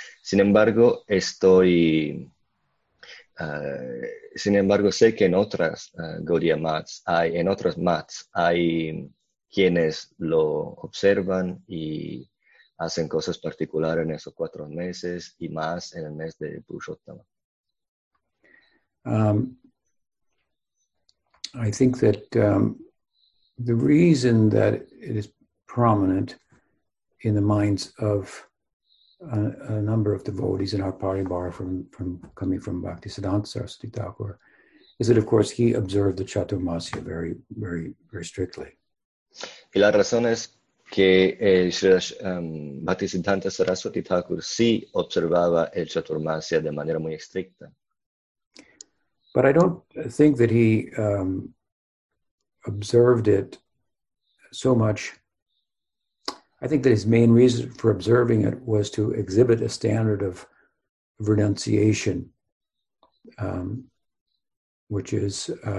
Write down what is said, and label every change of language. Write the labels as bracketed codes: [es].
[es] Sin embargo, sé que en otras Gaudiya Maths hay, en otras Maths hay quienes lo observan y hacen cosas particulares en esos cuatro meses y más en el mes de Purushottama. [en] I think that the reason that it is prominent in the minds of a number of devotees in our Paribara coming from Bhaktisiddhanta Saraswati Thakur is that, of course, he observed the Chaturmasya very, very, very strictly. [es] Y la razón es que Bhaktisiddhanta Saraswati Thakur sí observaba el Chaturmasya de manera muy estricta. [en] But I don't think that he observed it so much. I think that his main reason for observing it was to exhibit a standard of renunciation, which is